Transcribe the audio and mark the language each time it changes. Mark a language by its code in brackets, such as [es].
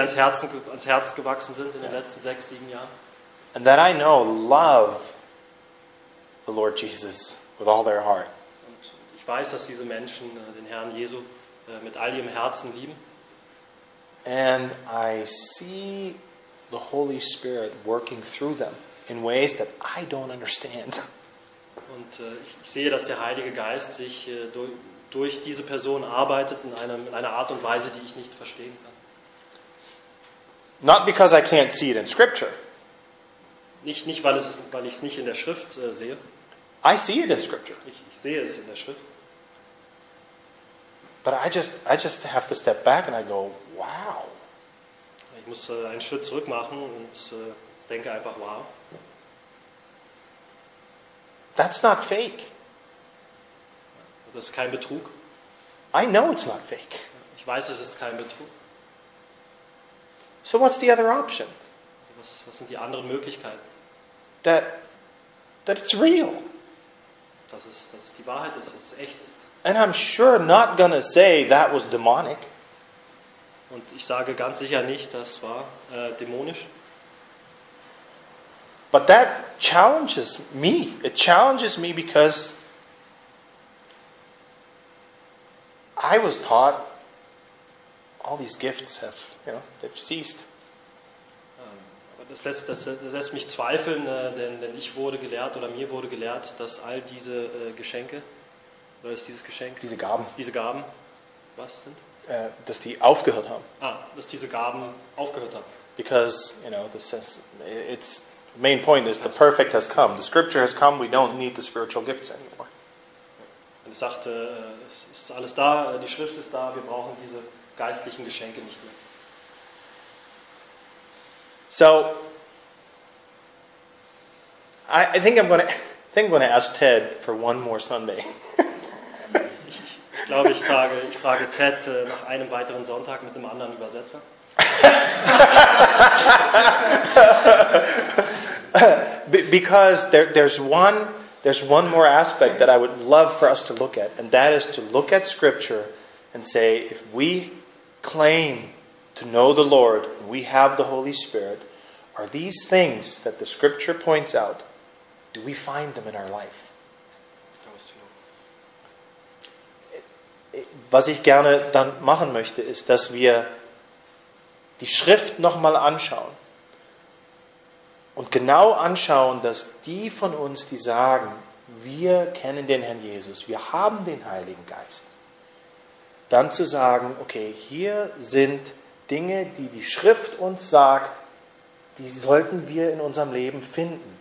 [de] ans Herz gewachsen sind in den letzten 6-7 Jahren. [en] And that I know love the Lord Jesus with all their heart. [de] Und ich weiß, dass diese Menschen den Herrn Jesu mit all ihrem Herzen lieben. [en] And I see the Holy Spirit working through them in ways that I don't understand. [de] Und ich sehe, dass der Heilige Geist sich durch diese Person arbeitet in einer Art und Weise, die ich nicht verstehen kann. [en] Not because I can't see it in Scripture. [de] Nicht weil ich es nicht in der Schrift sehe. [en] I see it in Scripture. [de] Ich sehe es in der Schrift. [en] But I just have to step back and I go, wow. [de] Ich muss einen Schritt zurück machen und denke einfach, wow. [en] That's not fake. [de] Das ist kein Betrug. [en] I know it's not fake. [de] Ich weiß, es ist kein Betrug. [en] So what's the other option? [de] Was sind die anderen Möglichkeiten? [en] That it's real. [de] Dass es die Wahrheit ist, dass es echt ist. [en] And I'm sure not gonna say that was demonic. [de] Und ich sage ganz sicher nicht, das war dämonisch. [en] But that challenges me. It challenges me because I was taught all these gifts have, you know, they've ceased. [de] Das lässt mich zweifeln, denn ich wurde gelehrt oder mir wurde gelehrt, dass all diese Geschenke, oder ist dieses Geschenk? Diese Gaben, was sind? Dass die aufgehört haben. Ah, dass diese Gaben aufgehört haben. [en] Because, you know, this says, it's the main point is the perfect has come. The scripture has come, we don't need the spiritual gifts anymore. [de] Und es sagt, es ist alles da, die Schrift ist da, wir brauchen diese geistlichen Geschenke nicht mehr. [en] So, I think I'm gonna ask Ted for one more Sunday. [de] ich frage Ted nach einem weiteren Sonntag mit einem anderen Übersetzer. [en] Because there's one more aspect that I would love for us to look at, and that is to look at Scripture and say, if we claim to know the Lord, and we have the Holy Spirit. Are these things that the scripture points out, do we find them in our life? That was to know. [de] Was ich gerne dann machen möchte, ist, dass wir die Schrift nochmal anschauen und genau anschauen, dass die von uns, die sagen, wir kennen den Herrn Jesus, wir haben den Heiligen Geist, dann zu sagen, okay, hier sind Dinge, die Schrift uns sagt, die sollten wir in unserem Leben finden.